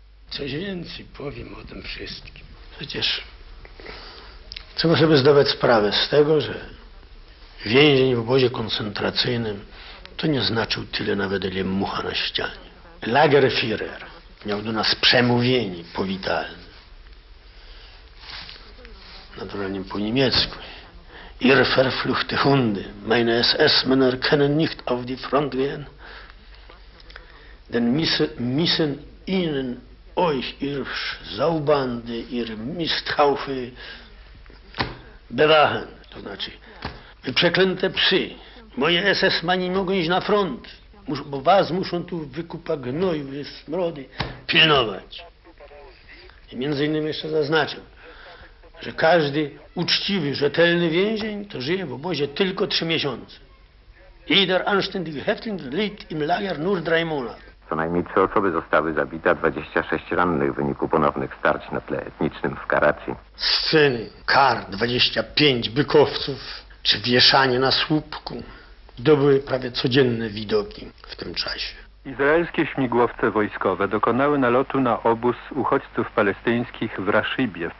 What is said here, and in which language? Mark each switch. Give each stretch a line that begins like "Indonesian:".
Polish: Coś więcej powiem o tym wszystkim. Przecież trzeba sobie zdawać sprawę z tego, że więzień w obozie koncentracyjnym to nie znaczył tyle nawet, ile mucha na ścianie. Lagerführer miał do nas przemówienie powitalne. Naturalnie po niemiecku.
German: Ihr verfluchte Hunde, meine SS-Männer können nicht auf die Front gehen, denn müssen ihnen euch, ihr Saubande, ihr Misthaufe, bewachen.
Polish: To znaczy, wy przeklęte psy, moje SS-mani mogą iść na front, bo was muszą tu wykupa gnoju, smrody, pilnować. I między innymi jeszcze zaznaczę, że każdy uczciwy, rzetelny więzień to żyje w obozie tylko 3 miesiące.
German: Jeder anständige Häftling liegt im Lager nur 3 Monate.
Polish: Co najmniej 3 osoby zostały zabite, a 26 rannych w wyniku ponownych starć na tle etnicznym w Karacji. Sceny kar 25 bykowców czy wieszanie na słupku to były prawie codzienne widoki w tym czasie. Izraelskie śmigłowce wojskowe dokonały nalotu na obóz uchodźców palestyńskich w Raszybie.